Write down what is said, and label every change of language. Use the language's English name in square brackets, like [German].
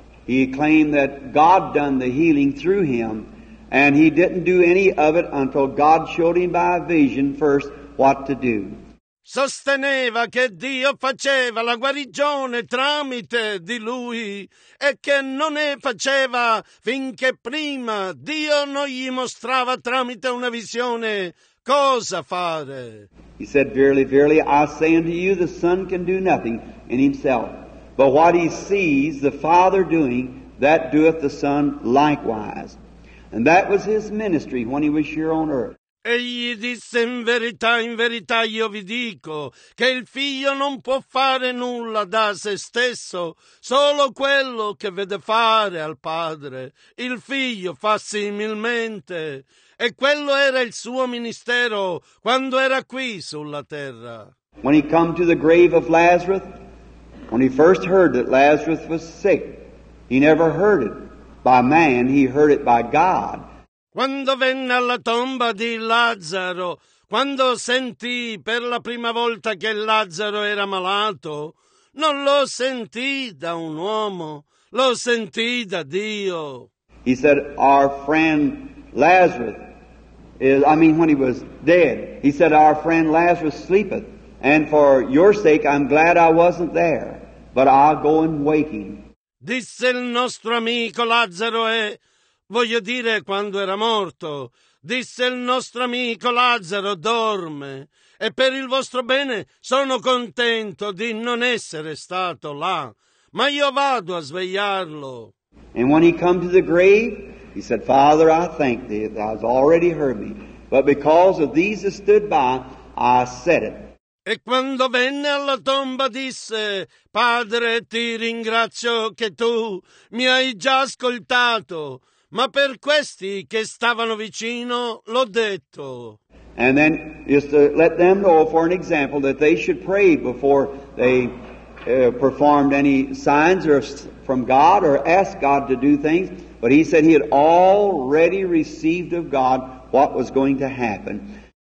[English] He claimed that God done the healing through him, and he didn't do any of it until God showed him by a vision first what to do. [Italian] Sosteneva che Dio faceva la guarigione tramite di lui e che non ne faceva finché prima Dio non gli mostrava tramite una visione cosa fare. [English] He said, verily, verily, I say unto you, the Son can do nothing in himself, but what he sees the Father doing, that doeth the Son likewise. And that was his ministry when he was here on earth. [Italian] Egli disse, in verità io vi dico che il figlio non può fare nulla da se stesso, solo quello che vede fare al padre. Il figlio fa similmente, e quello era il suo ministero quando era qui sulla terra. [English] When he come to the grave of Lazarus, when he first heard that Lazarus was sick, he never heard it by man, he heard it by God. [Italian] Quando venne alla tomba di Lazzaro, quando sentì per la prima volta che Lazzaro era malato, non lo sentì da un uomo, lo sentì da Dio. [English] He said, our friend Lazarus, when he was dead, he said, our friend Lazarus sleepeth, and for your sake I'm glad I wasn't there, but I'll go and wake him. [Italian] Disse il nostro amico Lazzaro è... Voglio dire, quando era morto, disse il nostro amico Lazzaro, dorme, e per il vostro bene sono contento di non essere stato là, ma io vado a svegliarlo. [English] And when he come to the grave, he said, Father, I thank thee, thou hast already heard me, but because of these that stood by, I said it. [Italian] E quando venne alla tomba disse, Padre, ti ringrazio che tu mi hai già ascoltato. Ma per questi che stavano vicino l'ho detto. [English] And then just to let them know for an example that they should pray before they performed any signs or from God or asked God to do things. But he said he had already received of God what was going to happen.